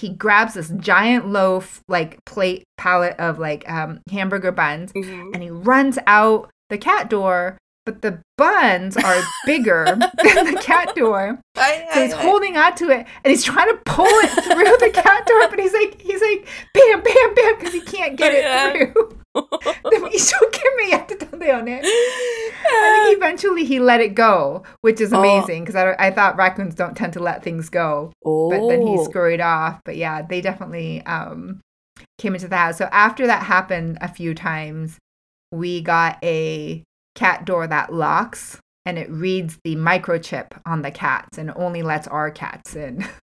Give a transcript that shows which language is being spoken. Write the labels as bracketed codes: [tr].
[en] He grabs this giant loaf, like plate palette of like hamburger buns mm-hmm. and he runs out the cat door. But the buns are bigger than the cat door. So he's holding on to it and he's trying to pull it through the cat door. But he's like, bam, bam, bam, because he can't get it through. [ja] 一生懸命やってたんだよね。 [en] And eventually he let it go, which is amazing. Because I thought raccoons don't tend to let things go. But then he scurried off. But yeah, they definitely came into the house. So after that happened a few times, we got a cat door that locks and it reads the microchip on the cats and only lets our cats in.